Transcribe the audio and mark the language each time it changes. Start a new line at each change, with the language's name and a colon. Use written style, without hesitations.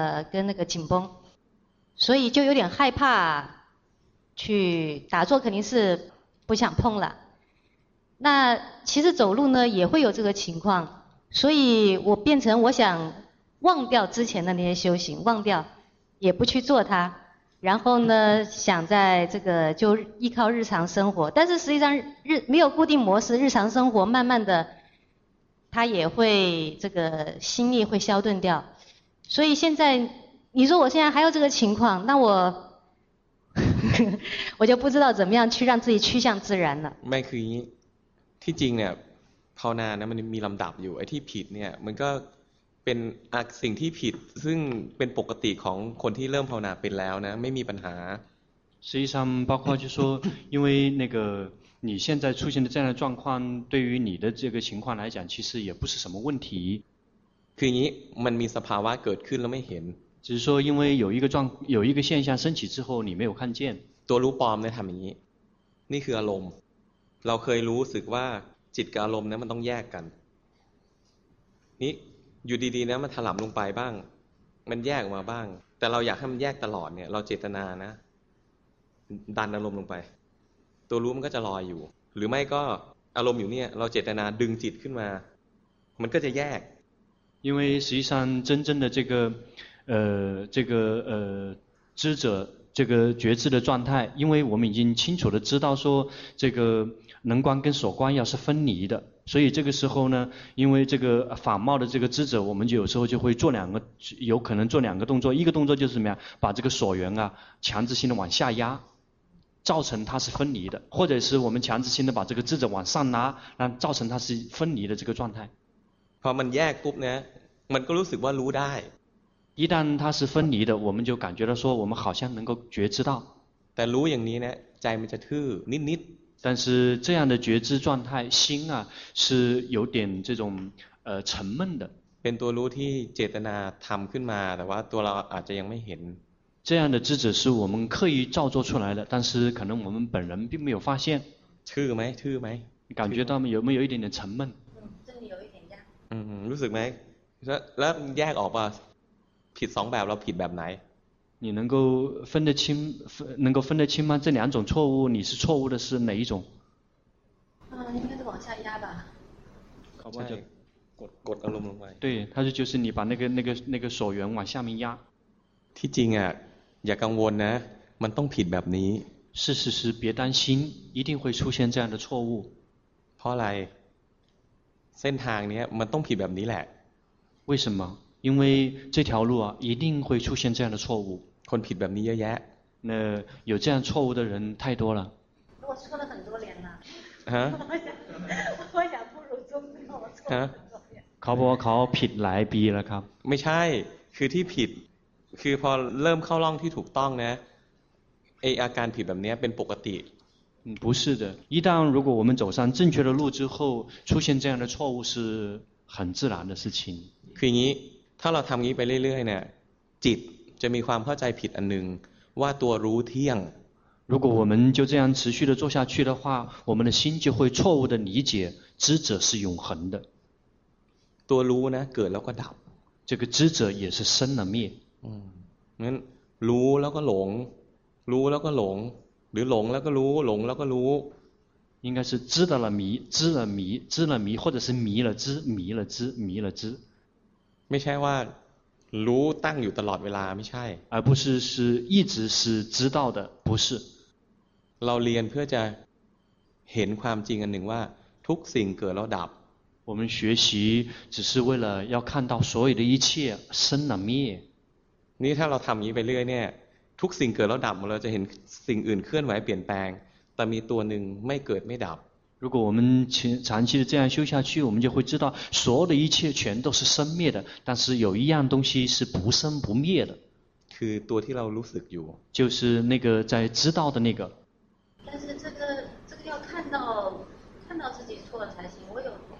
Chinese: 跟那个紧绷所以就有点害怕去打坐肯定是不想碰了那其实走路呢也会有这个情况所以我变成我想忘掉之前的那些修行忘掉也不去做它然后呢想在这个就依靠日常生活但是实际上没有固定模式日常生活慢慢的它也会这个心力会消顿掉所以现在你说我现在还有这个情况那我我就不知道怎么样去让自己趋向自然了
Thai: ไม่คืออย่างนี้ที่จริงเนี่ยภาวนาเนี่ยมันมีลำดับอยู่ไอ้ที่ผิดเนี่ยมันก็เป็นสิ่งที่ผิดซึ่งเป็นปกติของคนที่เริ่มภาวนาเป็นแล้วนะไม่มีปัญหา
Chinese: 实际上包括就说因为那个你现在出现的这样的状况对于你的这个情况来讲其实也不是什么问题
Thai: คืองี้มันมีสภาวะเกิดขึ้นแล้วไม่เห็น
Chinese: 只是说因为有一个现象升起之后你没有看见
Thai: ตัวรู้ปลอมเนี่ยทำอย่างนี้นี่คืออารมณ์เราเคยรู้สึกว่าจิตกับอารมณ์เนี่ยมันต้องแยกกันนี่อยู่ดีๆนะมันถลำลงไปบ้างมันแยกออกมาบ้างแต่เราอยากให้มันแยกตลอดเนี่ยเราเจตนานะดันอารมณ์ลงไปตัวรู้มันก็จะลอยอยู่หรือไม่ก็อารมณ์อยู่เนี่ยเราเจตนาดึงจิตขึ้นมามันก็จะแยก
Chinese: 因为实际上真正的这个这个知者这个觉知的状态因为我们已经清楚的知道说这个能观跟所观要是分离的所以这个时候呢因为这个法冒的这个知者我们就有时候就会做两个有可能做两个动作一个动作就是什么呀把这个所缘啊强制性的往下压造成它是分离的或者是我们强制性的把这个知者往上拉让造成它是分离的这个状态
Thai: พอมันแยกปุ๊บเนี่ยมันก็รู้สึกว่ารู้ได้
Chinese: 一旦它是分离的我们就感觉到说我们好像能够觉知到
Thai: แต่รู้อย่างนี้เนี่ยใจมันจะทื่อนิดๆ
Chinese: 但是这样的觉知状态心啊是有点这种沉闷的
Thai: เป็นตัวรู้ที่เจตนาทำขึ้นมาแต่ว่าตัวเราอาจจะยังไม่เห็น
Chinese: 这样的知者是我们刻意造作出来的但是可能我们本人并没有发现
Thai: ทื่อไหมทื่อไหม
Chinese: 感觉到有没有一点点沉闷
Thai: รู้สึกไหมแล้วแยกออกป่ะผิดสองแบบเราผิดแบบไหน
Chinese: 你能够分得清能够分得清吗这两种错误你是错误的是哪一种应该是往下压吧搞不好就滚滚滚滚对他就是你把那个锁缘往下面压
Thai: ที่จริงอ่ะอย่ากังวลนะมันต้องผิดแบบนี้
Chinese: 事实是别担心一定会出现这样的错误
Thai: เพราะอะไรเส้นทางนี้มันต้องผิดแบบนี้แหละ
Chinese: 为什么因为这条路啊一定会出现这样的错误
Thai: คนผิดแบบนี้เยอะแยะ
Chinese: 那有这样错误的人太多了我错了很多年了我想不如中国我错了很多年
Thai: เขาบอกว่าเขาผิดหลายปีแล้วครับ ไม่ใช่คือที่ผิดคือพอเริ่มเข้าร่องที่ถูกต้องนะไออาการผิดแบบนี้เป็นปกติ
Chinese: 不是的一旦如果我们走上正确的路之后出现这样的错误是很自然的事情
Thai: คืองี้ถ้าเราทำงี้ไปเรื่อยๆเนี่ยจิตจะมีความเข้าใจผิดอันนึงว่าตัวรู้เที่ยง
Chinese: 如果我们就这样持续的做下去的话我们的心就会错误的理解知者是永恒的
Thai: ตัวรู้นะเกิดแล้วก็ดับ
Chinese: 这个知者也是生了灭
Thai: งั้นรู้แล้วก็หลงรู้แล้วก็หลงหรือหลงแล้วก็รู้หลงแล้วก็รู้
Chinese: 应该是知道了迷知了迷知了迷或者是迷了知迷了知迷了知
Thai: ไม่ใช่ว่ารู้ตั้งอยู่ตลอดเวลาไม่ใช่
Chinese: 而不是是一直是知道的不是
Thai: เราเรียนเพื่อจะเห็นความจริงอันหนึ่งว่าท ทุกสิ่งเกิดแล้วดับ
Chinese: 我们学习只是为了要看到所有的一切生了灭
Thai: นี่ถ้าเราทำอย่างนี้ไปเรื่อยเนี่ยทุกสิ่งเกิดแล้วดับเราจะเห็นสิ่งอื่นเคลื่อนไหวเปลี่ยนแปลงแต่มีตัวนึงไม่เกิดไม่ดับ
Chinese: 如果我们长期的这样修下去我们就会知道所有的一切全都是生灭的但是有一样东西是不生不灭的
Thai: คือตัวที่เรารู้สึกอยู่
Chinese: 就是那个在知道的那个但是这个要看到自己错了才行我有